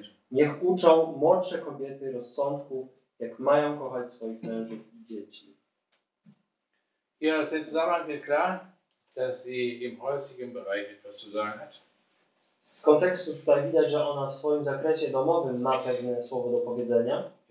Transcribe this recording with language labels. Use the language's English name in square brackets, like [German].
[Polish] Niech uczą młodsze kobiety rozsądku, jak mają kochać swoich mężów i dzieci. [German] Ja, [Polish] z tym [German] zusammenhang wird klar, dass sie im häuslichen Bereich etwas zu sagen hat. [Polish] Z kontekstu tutaj widać, że ona w swoim zakresie domowym ma pewne słowo do powiedzenia.